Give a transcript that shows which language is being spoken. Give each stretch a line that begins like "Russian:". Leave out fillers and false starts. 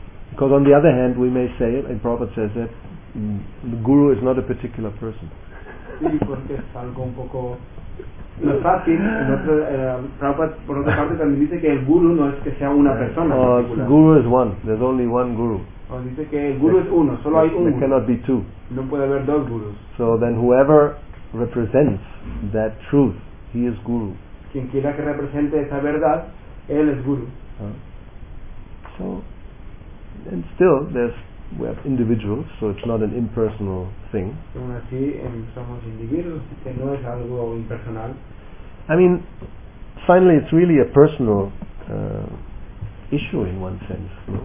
English: Because on the other hand, we may say, and Prabhupada says that, the Guru is not a particular person.
Spanish: Sí, porque es algo un poco no es fácil. Prabhupada, por otra parte, también dice que el guru no es que sea una persona.
English: Guru is one. There's only one guru.
Spanish: Dice que el guru es uno. Solo hay un.
English: There cannot be two.
Spanish: No puede haber dos gurus.
English: So then, whoever represents that truth, he is guru.
Spanish: Quien quiera que represente esa verdad, él es guru.
English: So, and still there's. We are individuals, so it's not an impersonal thing. I mean, finally, it's really a personal issue in one sense.